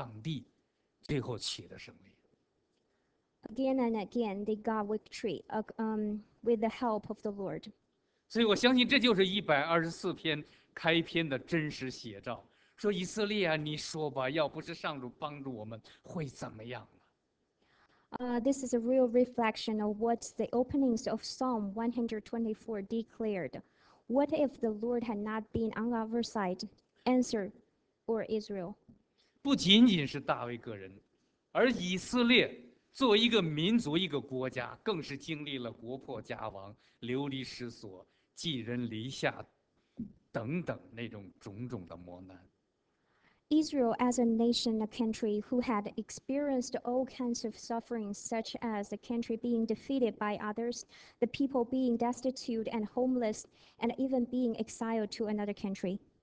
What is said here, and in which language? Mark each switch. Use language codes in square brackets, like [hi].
[zh] 一次，再一次，都是依靠耶和华上帝，最后取得胜利。 [en] Again and again, they got victory, with the help of the Lord. [zh] 所以我相信这就是124篇开篇的真实写照。说以色列啊，你说吧，要不是上主帮助我们，会怎么样？ [en] This is a real reflection of what the openings of Psalm 124 declared. What if the Lord had not been on our side? Answer, or Israel. [zh] 不仅仅是大卫个人，而以色列作为一个民族、一个国家，更是经历了国破家亡、流离失所、寄人篱下等等那种种种的磨难。 [en] Israel as a nation, a country who had experienced all kinds of suffering, such as the country being defeated by others, the people being destitute and homeless, and even being exiled to another country.